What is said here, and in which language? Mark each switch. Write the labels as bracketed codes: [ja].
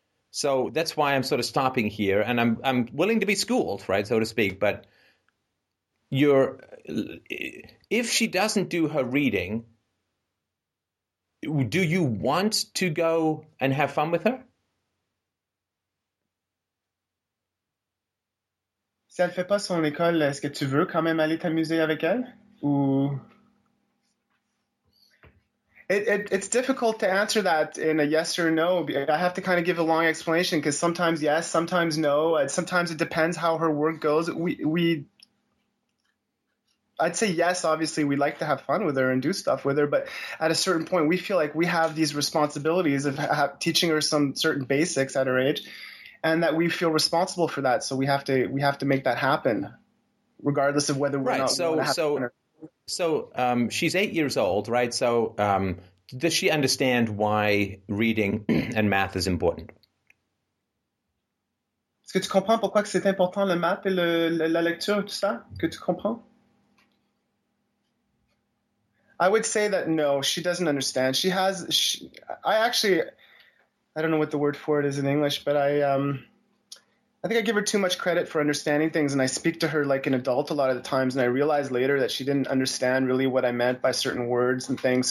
[en] So that's why I'm sort of stopping here, and I'm willing to be schooled, right, so to speak. But if she doesn't do her reading, do you want to go and have fun with her? [fr] Si elle fait pas son école, est-ce que tu veux quand même aller t'amuser avec elle? Ou... [en] It's difficult to answer that in a yes or no. I have to kind of give a long explanation because sometimes yes, sometimes no. Sometimes it depends how her work goes. I'd say yes, obviously, we like to have fun with her and do stuff with her. But at a certain point, we feel like we have these responsibilities of teaching her some certain basics at her age. And that we feel responsible for that, so we have to make that happen, regardless of whether we're right. Not so she's 8 years old, right? So does she understand why reading and math is important? [fr] Est-ce que tu comprends pourquoi que c'est important le math et la lecture tout ça? Que tu comprends? [en] I would say that no, she doesn't understand. I don't know what the word for it is in English, but I think I give her too much credit for understanding things, and I speak to her like an adult a lot of the times, and I realize later that she didn't understand really what I meant by certain words and things.